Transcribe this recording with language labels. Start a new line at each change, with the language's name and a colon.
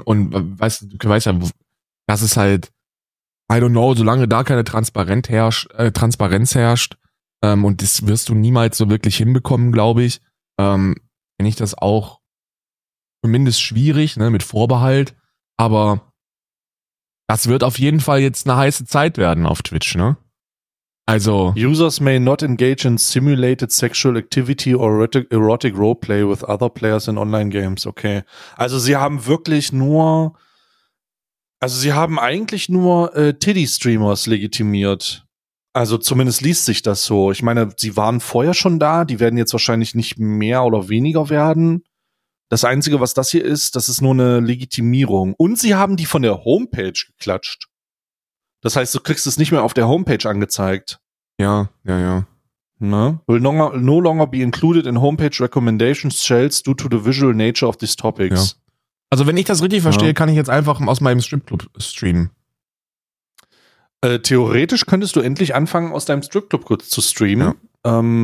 German: Und weißt du, weißt ja, das ist halt,
English: I don't know,
German: solange da keine Transparenz herrscht, und das wirst du niemals so wirklich hinbekommen, glaube ich, finde ich das auch zumindest schwierig, ne, mit Vorbehalt, aber das wird auf jeden Fall jetzt eine heiße Zeit werden auf Twitch, ne? Also,
English: users may not engage in simulated sexual activity or erotic roleplay with other players in online games.
German: Okay. Also, sie haben wirklich nur, also, sie haben eigentlich nur Titty-Streamers legitimiert. Also, zumindest liest sich das so. Ich meine, sie waren vorher schon da. Die werden jetzt wahrscheinlich nicht mehr oder weniger werden. Das Einzige, was das hier ist, das ist nur eine Legitimierung. Und sie haben die von der Homepage geklatscht. Das heißt, du kriegst es nicht mehr auf der Homepage angezeigt. Ja, ja, ja. Ne?
English: Will no longer be included in Homepage Recommendations Shells due to the visual nature of these topics.
German: Ja. Also, wenn ich das richtig verstehe, kann ich jetzt einfach aus meinem Stripclub streamen. Theoretisch könntest du endlich anfangen, aus deinem Stripclub kurz zu streamen. Ja.